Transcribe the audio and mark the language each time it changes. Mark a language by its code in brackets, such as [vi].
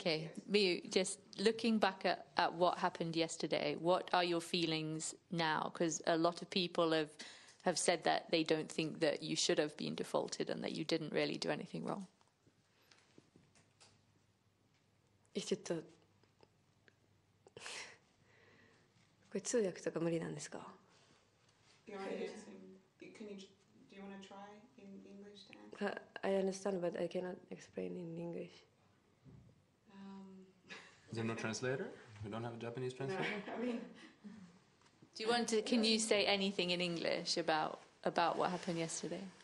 [en] Okay, Miyu, just looking back at what happened yesterday, what are your feelings now? Because a lot of people have said that they don't think that you should have been defaulted and that you didn't really do anything wrong. Is it a... [ja] これ通訳とか無理なんですか？ [en] I understand, but I cannot explain in English. Is there no translator? We don't have a Japanese translator? No, I mean... Do you want to, can you say anything in English about what happened yesterday?